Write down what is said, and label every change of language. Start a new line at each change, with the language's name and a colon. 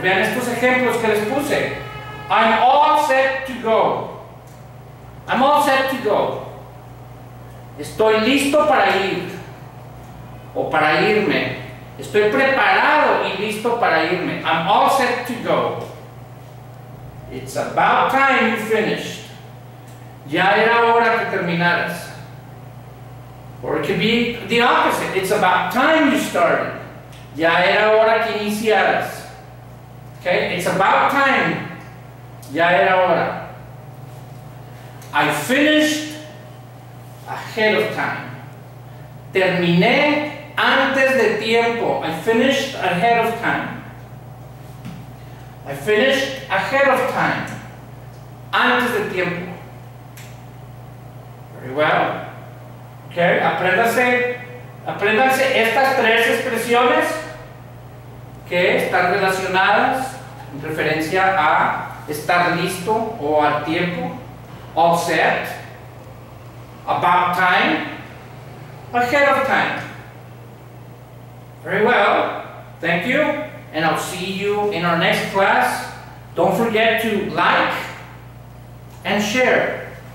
Spanish: Vean estos ejemplos que les puse.
English: I'm all set to go. I'm all set to go.
Spanish: Estoy listo para ir. O para irme. Estoy preparado y listo para irme.
English: I'm all set to go. It's about time you finished.
Spanish: Ya era hora que terminaras.
English: Or it could be the opposite. It's about time you started.
Spanish: Ya era hora que iniciaras. Okay?
English: It's about time.
Spanish: Ya era hora.
English: I finished ahead of time.
Spanish: Terminé antes de tiempo.
English: I finished ahead of time. I finished ahead of time.
Spanish: Antes de tiempo.
English: Very well.
Spanish: Okay, apréndase estas tres expresiones que están relacionadas en referencia a estar listo o al tiempo,
English: all set, about time, ahead of time. Very well, thank you, and I'll see you in our next class. Don't forget to like and share.